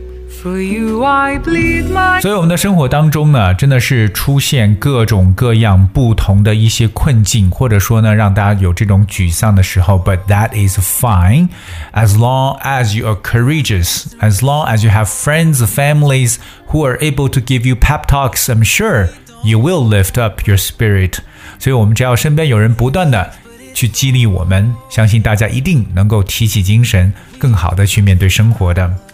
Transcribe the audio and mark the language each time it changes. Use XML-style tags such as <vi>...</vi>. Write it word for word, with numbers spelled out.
<zh>所以我们的生活当中呢，真的是出现各种各样不同的一些困境，或者说呢，让大家有这种沮丧的时候。</zh> <en>But that is fine, as long as you are courageous, as long as you have friends, families who are able to give you pep talks. I'm sure you will lift up your spirit.</en> <zh>所以我们只要身边有人不断的去激励我们，相信大家一定能够提起精神，更好的去面对生活的。</zh>